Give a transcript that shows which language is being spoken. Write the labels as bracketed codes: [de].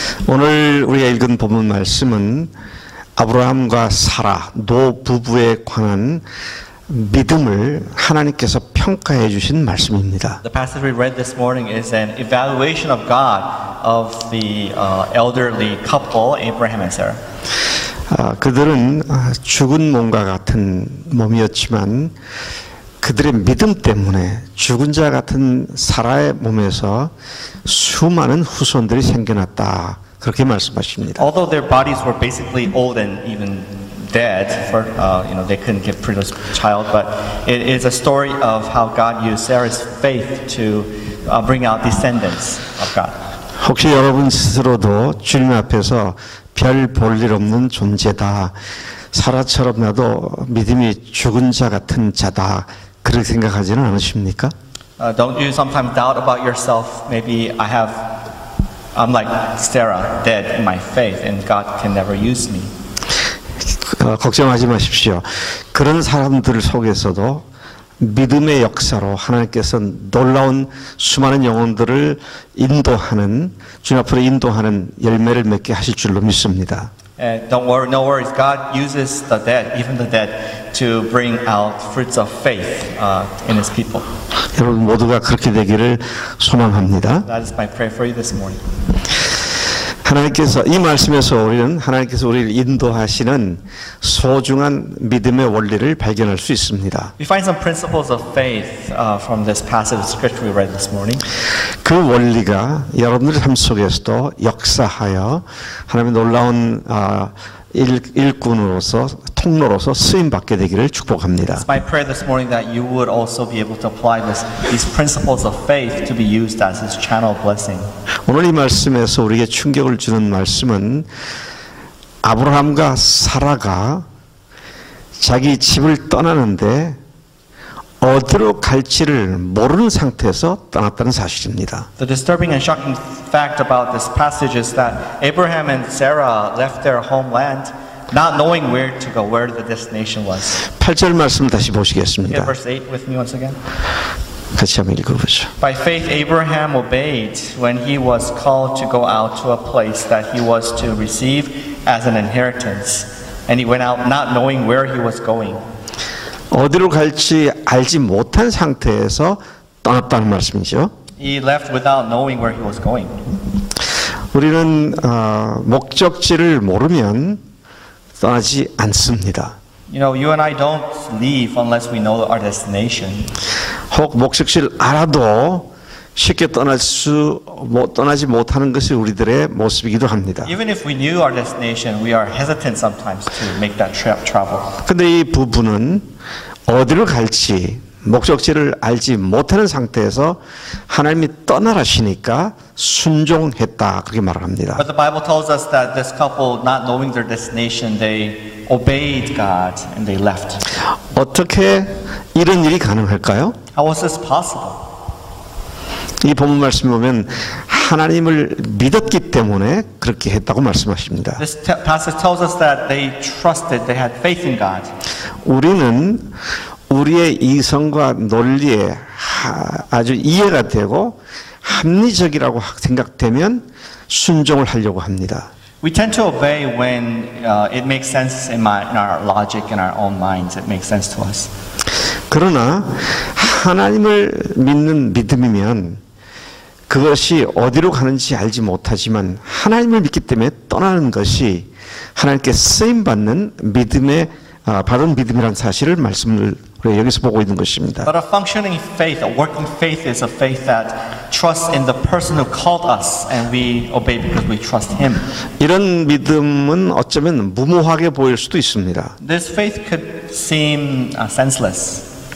[ko] 오늘 우리가 읽은 본문 말씀은 아브라함과 사라, 노 부부에 관한 믿음을 하나님께서 평가해 주신 말씀입니다. [en] The passage we read this morning is an evaluation of God of the elderly couple Abraham and Sarah. [ko] 그들은 죽은 몸과 같은 몸이었지만 그들의 믿음 때문에 죽은 자 같은 사라의 몸에서 수많은 후손들이 생겨났다. 그렇게 말씀하십니다. [en] Although their bodies were basically old and even dead, for you know, they couldn't give previous child, but it is a story of how God used Sarah's faith to bring out descendants of God. [ko] 혹시 여러분 스스로도 주님 앞에서 별 볼 일 없는 존재다, 사라처럼 나도 믿음이 죽은 자 같은 자다, 그렇게 생각하지는 않으십니까? [en] Don't you sometimes doubt about yourself? Maybe I'm like Sarah, dead in my faith, and God can never use me. [ko] 걱정하지 마십시오. 그런 사람들 속에서도 믿음의 역사로 하나님께서는 놀라운 수많은 영혼들을 인도하는, 주님 앞으로 인도하는 열매를 맺게 하실 줄로 믿습니다. [en] Don't worry, no worries. God uses the dead, even the dead, to bring out fruits of faith in His people. [ko] 여러분 모두가 그렇게 되기를 소망합니다. [en] That is my prayer for you this morning. [ko] 하나님께서 이 말씀에서 우리는 하나님께서 우리를 인도하시는 소중한 믿음의 원리를 발견할 수 있습니다. [en] We find some principles of faith from this passage of scripture we read this morning. [ko] 그 원리가 여러분들 삶 속에서도 역사하여 하나님의 놀라운 일꾼으로서 통로로서 쓰임 받게 되기를 축복합니다. [en] It's my prayer this morning that you would also be able to apply these principles of faith to be used as this channel blessing. [ko] 오늘 이 말씀에서 우리에게 충격을 주는 말씀은 아브라함과 사라가 자기 집을 떠나는데 어디로 갈지를 모르는 상태에서 떠났다는 사실입니다. [en] The disturbing and shocking fact about this passage is that Abraham and Sarah left their homeland not knowing where to go, where the destination was. [ko] 8절 말씀 다시 보시겠습니다. [en] Okay, verse 8 with me once again. [ko] 같이 한번 읽어보죠. [en] By faith Abraham obeyed when he was called to go out to a place that he was to receive as an inheritance, and he went out not knowing where he was going. [ko] 어디로 갈지 알지 못한 상태에서 떠났다는 말씀이죠. [en] He left without knowing where he was going. [ko] 우리는 목적지를 모르면 떠나지 않습니다. [en] You know, you and I don't leave unless we know our destination. [ko] 혹 목적지를 알아도 쉽게 떠나지 못하는 것이 우리들의 모습이기도 합니다. [en] Even if we knew our destination, we are hesitant sometimes to make that travel. [ko] 근데 이 부부는 어디로 갈지 목적지를 알지 못하는 상태에서 하나님이 떠나라시니까 순종했다, 그렇게 말합니다. [en] But the Bible tells us that this couple, not knowing their destination, they obeyed God and they left. [ko] 어떻게 이런 일이 가능할까요? [en] How was this possible? [ko] 이 본문 말씀 보면 하나님을 믿었기 때문에 그렇게 했다고 말씀하십니다. [en] This passage tells us that they trusted, they had faith in God. [ko] 우리는 우리의 이성과 논리에 아주 이해가 되고 합리적이라고 생각되면 순종을 하려고 합니다. [en] We tend to obey when it makes sense in our logic, in our own minds, it makes sense to us. [ko] 그러나 하나님을 믿는 믿음이면 그것이 어디로 가는지 알지 못하지만 하나님을 믿기 때문에 떠나는 것이 하나님께 쓰임 받는 믿음의 바른 믿음이란 사실을 말씀을 우리 여기서 보고 있는 것입니다. [en] But a functioning faith, a working faith is a faith that trusts in the person who called us and we obey because we trust him. [ko] 이런 믿음은 어쩌면 무모하게 보일 수도 있습니다. [en] This faith could seem senseless.